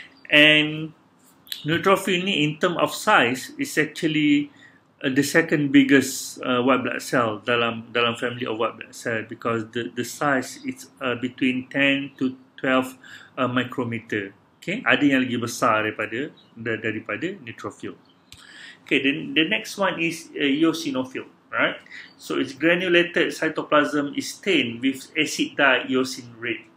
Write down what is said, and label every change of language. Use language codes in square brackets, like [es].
[en] And neutrophil ni in term of size is actually the second biggest white blood cell [ms] dalam [en] family of white blood cell, because the size is between 10 to 12 micrometer. [ms] Okay, ada yang lagi besar daripada neutrophil. [en] Okay, then the next one is eosinophil, right? So its granulated cytoplasm is stained with acid dye eosin red.